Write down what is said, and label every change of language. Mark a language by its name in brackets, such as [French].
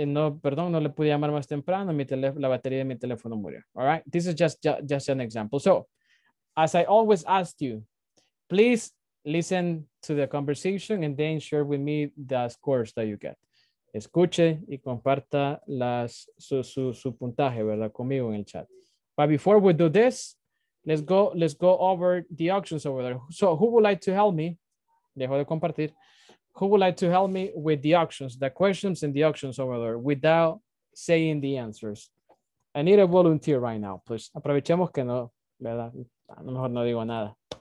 [Spanish] No, perdón, no le pude llamar más temprano, la batería de mi teléfono murió. [English] All right, this is just an example. So, as I always ask you, please listen to the conversation and then share with me the scores that you get. [Spanish] Escuche y comparta su puntaje, ¿verdad?, conmigo en el chat. [English] But before we do this, let's go over the auctions over there. So, who would like to help me? [Spanish] Dejo de compartir. [English] who would like to help me with the auctions, the questions and the auctions over there without saying the answers? I need a volunteer right now, please. [Spanish] Aprovechemos que no, ¿verdad? A lo mejor no digo nada.